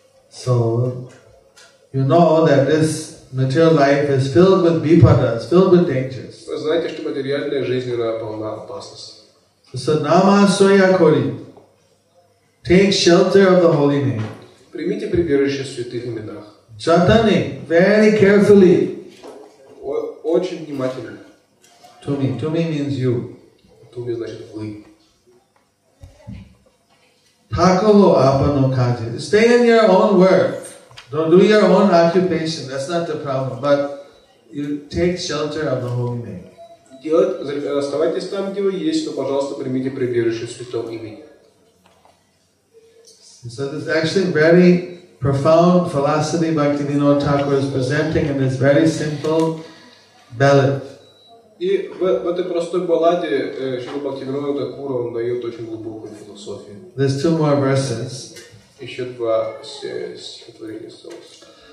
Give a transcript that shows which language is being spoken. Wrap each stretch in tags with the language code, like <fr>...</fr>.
<en>So you know that this material life is filled with vipadas, filled with dangers.</en> <ru>Вы знаете, что материальная жизнь она полна опасностей.</ru> <en>So</en> <bn>namasoya kori.</bn> <en>Take shelter of the holy name.</en> <ru>Примите прибежище в святых именах.</ru> <en>Jatane very carefully.</en> <ru>Очень внимательно.</ru> <en>To me. To me means you.</en> <ru>To me значит вы.</ru> <bn>Такого апано каде.</bn> <en>Stay in your own work. Don't do your own occupation. That's not the problem. But you take shelter of the holy name.</en> <ru>Оставайтесь там, где вы есть, но, пожалуйста, примите прибежище в святом имени.</ru> <en>So this is actually very profound philosophy Bhaktivinoda Thakur is presenting, and it's very simple.</en> <ru>И в этой простой балладе Шрила Бхактивинода Такура он дает очень глубокую философию.</ru> <en>There's two more verses.</en> <ru>Еще два стихотворения осталось.</ru>